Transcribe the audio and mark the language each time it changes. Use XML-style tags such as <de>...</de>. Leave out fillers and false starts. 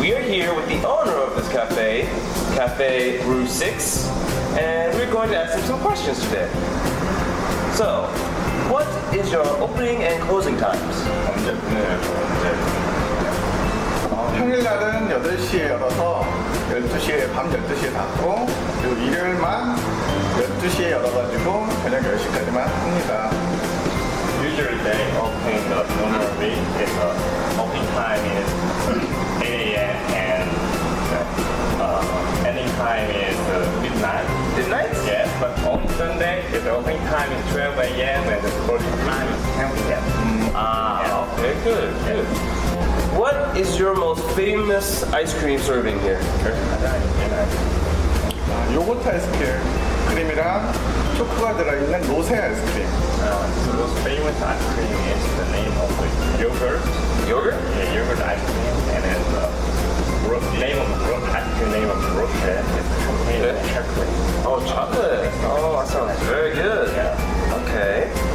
<en>We are here with the owner of this cafe, Cafe Rue 6, and we're going to ask him some questions today. So, what is your opening and closing times?</en> <ko>언제? 네, 언제? 평일날은 8시에 열어서 12시에 밤 12시에 닫고 그리고 일요일만 12시에 열어가지고 저녁 10시까지만 합니다.</ko> <en>Usually they open the owner of it. The opening time is 8 a.m. and ending time is midnight. Midnight? Yes, but on Sunday the opening time is 12 a.m. and the closing time is 10 p.m. Okay, good. Yeah. What is your most famous ice cream serving here? Yogurt ice cream.</en> <ko>크림이랑 초코가 들어있는 로세 아이스크림.</ko> <en>The most famous ice cream is the name of the yogurt. Yogurt? Yeah, yogurt ice cream. And then the name of the roche is contained in chocolate. Oh, chocolate. Oh, that sounds very good. Yeah. Okay.</en>